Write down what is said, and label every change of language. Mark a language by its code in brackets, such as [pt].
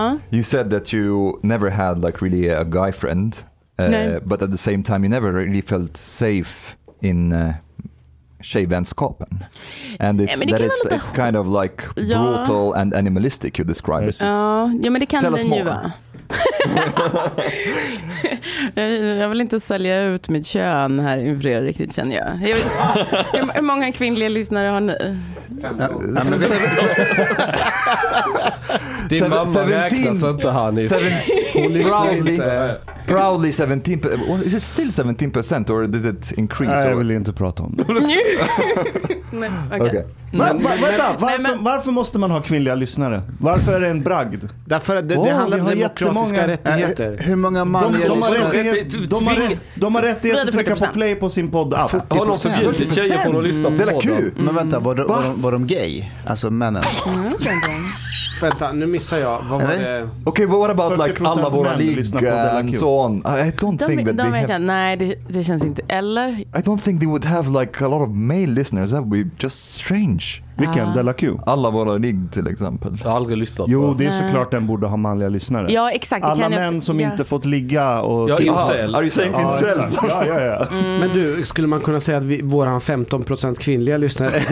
[en] You said that you never had like really a guy friend. But at the same time, you never really felt safe in tjejvänskapen. And it's kind of like brutal and animalistic, you describe it. [sv] Ja, men det kan den ju vara. Jag vill inte sälja ut mitt kön här inför er, riktigt, känner jag. Hur många kvinnliga lyssnare har ni? 15. Din mamma 17, räknas inte här nu. [en] Proudly 17%. Is it still 17% or did it increase? [sv] Nej, jag vill inte prata om det. Nej, okay. Varför måste man ha kvinnliga lyssnare? Varför är det en bragd? Därför att det handlar om demokratiska rättigheter. Hur många manliga lyssnare? De har rättighet att trycka på play på sin podd. Har de förbjudit tjejer på att lyssna på podden? Men vänta, var de gay? Alltså männen? Vänta, nu missar jag. Vad var det? [en] Okay, but what about like alla våra ligg and so on? I don't think that they have... [sv] Nej, det känns inte. Eller? [en] I don't think they would have like a lot of male listeners. That would be just strange. [sv] Vilken? De La Q? Alla våra ligg till exempel. Jag har aldrig lyssnat på. Jo, det är såklart den borde ha manliga lyssnare. Ja, exakt. Alla män som inte fått ligga och... Ja, incels. [en] Are you saying incels? [sv] Ja, ja, ja. Men du, skulle man kunna säga att våra 15% kvinnliga lyssnare...